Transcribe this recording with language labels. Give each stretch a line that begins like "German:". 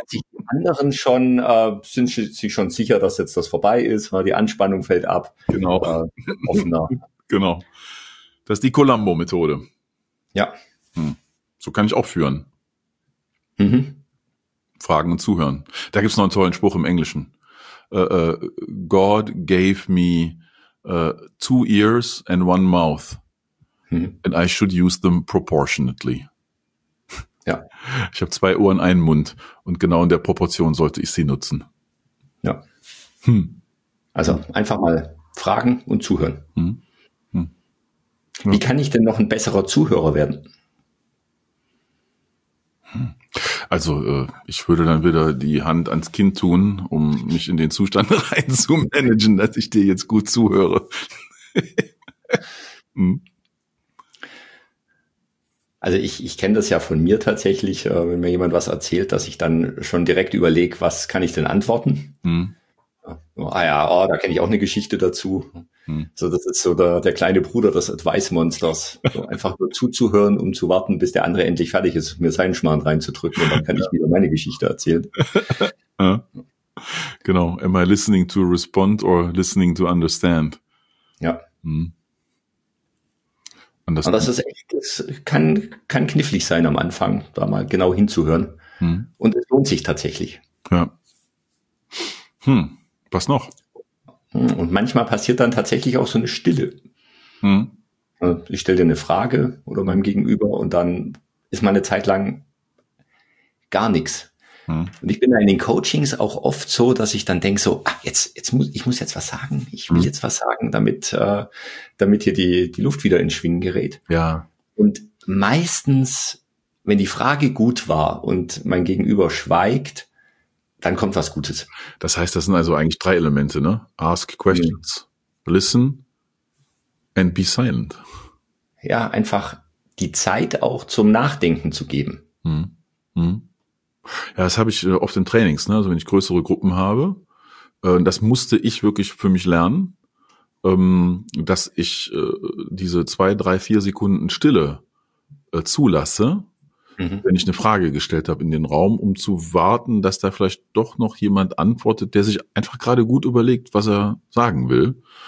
German: Die anderen schon sind sich schon sicher, dass jetzt das vorbei ist, weil die Anspannung fällt ab. Genau. Offener. Genau. Das ist die Colombo-Methode. Ja. So kann ich auch führen. Fragen und zuhören. Da gibt's noch einen tollen Spruch im Englischen.
English: God gave me 2 ears and 1 mouth. And I should use them proportionately.
German: Ja. Ich habe 2 Ohren, 1 Mund und genau in der Proportion sollte ich sie nutzen. Ja. Also einfach mal fragen und zuhören. Wie kann ich denn noch ein besserer Zuhörer werden? Also ich würde dann wieder die Hand ans Kind tun, um mich in den Zustand reinzumanagen, dass ich dir jetzt gut zuhöre. Also ich kenne das ja von mir tatsächlich, wenn mir jemand was erzählt, dass ich dann schon direkt überlege, was kann ich denn antworten? Da kenne ich auch eine Geschichte dazu. So, das ist so der kleine Bruder des Advice-Monsters. So, einfach nur zuzuhören, um zu warten, bis der andere endlich fertig ist, mir seinen Schmarrn reinzudrücken und dann kann ich wieder meine Geschichte erzählen. Genau.
English: Am I listening to respond or listening to understand?
German: Ja. Und das ist echt, das kann knifflig sein am Anfang, da mal genau hinzuhören. Und es lohnt sich tatsächlich. Ja. Was noch? Und manchmal passiert dann tatsächlich auch so eine Stille. Ich stelle dir eine Frage oder meinem Gegenüber und dann ist meine Zeit lang gar nichts. Und ich bin da in den Coachings auch oft so, dass ich dann denke so, ich muss jetzt was sagen, damit hier die Luft wieder ins Schwingen gerät. Ja. Und meistens, wenn die Frage gut war und mein Gegenüber schweigt, dann kommt was Gutes. Das heißt, das sind also eigentlich 3 Elemente, ne?
English: Ask questions, listen and be silent.
German: Ja, einfach die Zeit auch zum Nachdenken zu geben. Ja, das habe ich oft in Trainings, ne? Also wenn ich größere Gruppen habe, das musste ich wirklich für mich lernen, dass ich diese 2, 3, 4 Sekunden Stille zulasse, wenn ich eine Frage gestellt habe in den Raum, um zu warten, dass da vielleicht doch noch jemand antwortet, der sich einfach gerade gut überlegt, was er sagen will.